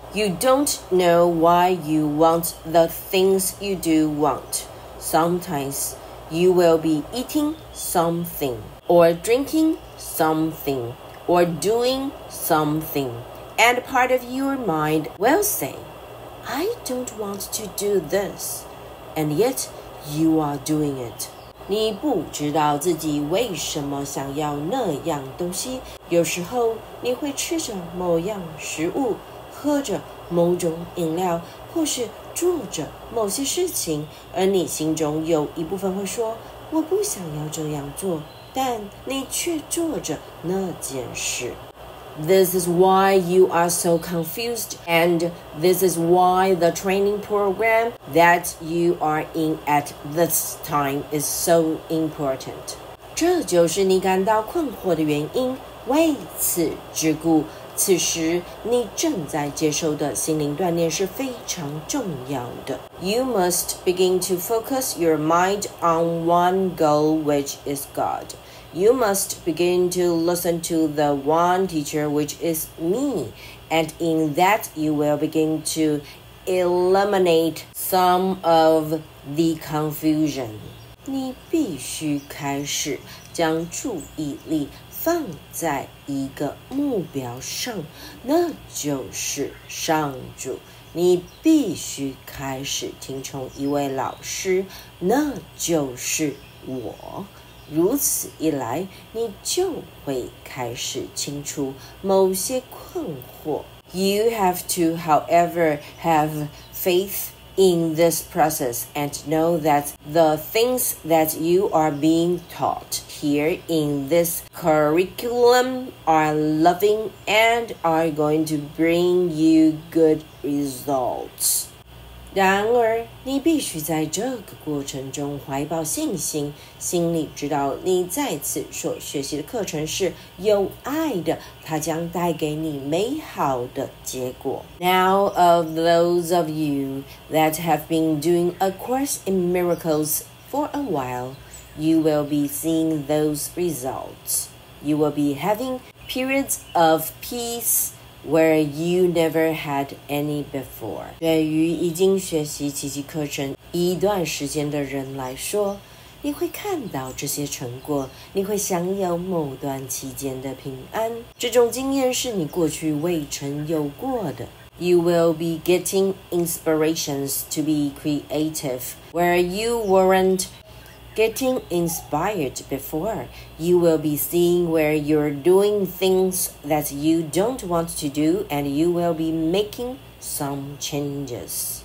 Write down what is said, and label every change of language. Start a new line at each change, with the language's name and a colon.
English: You don't know why you want the things you do want. Sometimes,You will be eating something, or drinking something, or doing something. And part of your mind will say, I don't want to do this. And yet, you are doing it.
Chinese: 你不知道自己为什么想要那样东西。有时候你会吃着某样食物，喝着某种饮料，或是做着某些事情，而你心中有一部分会说，我不想要这样做，但你却做着那件事。
English: This is why you are so confused, and this is why the training program that you are in at this time is so important.
Chinese: 这就是你感到困惑的原因，为此之故。此时你正在接受的心灵锻炼是非常重要的。
English: You must begin to focus your mind on one goal, which is God. You must begin to listen to the one teacher, which is me. And in that, you will begin to eliminate some of the confusion.
Chinese: 你必须开始将注意力放在一个目标上，那就是上主。你必须开始听从一位老师，那就是我。如此一来，你就会开始清除某些困惑。
English: You have to, however, have faith in this process and know that the things that you are being taught here in this curriculum are loving and are going to bring you good results.
Chinese: 然而，你必须在这个过程中怀抱信心，心里知道你再次所学习的课程是有爱的，它将带给你美好的结果。
English: Now, of those of you that have been doing A Course in Miracles for a while, you will be seeing those results. You will be having periods of peace. Where you never had any before.
Chinese: 对于已经学习奇迹课程一段时间的人来说，你会看到这些成果，你会享有某段期间的平安。这种经验是你过去未曾有过的。
English: You will be getting inspirations to be creative where you weren't getting inspired before, you will be seeing where you're doing things that you don't want to do, and you will be making some changes.